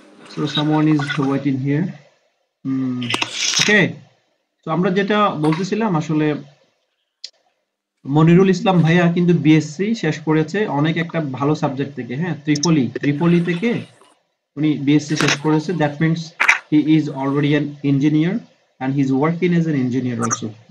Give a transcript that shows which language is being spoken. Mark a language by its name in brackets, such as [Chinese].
[English] So someone is waiting here. [Bangla] Okay, so amra jeta bolchhilam ashole Monirul ইসলাম ভাইয়া কিন্তু BSc শেষ করেছে অনেক একটা ভালো সাবজেক্ট থেকে। হ্যাঁ, ত্রিপলি থেকে উনি বিএসসি শেষ করেছে, [English] That means he is already an engineer and he is working as an engineer also.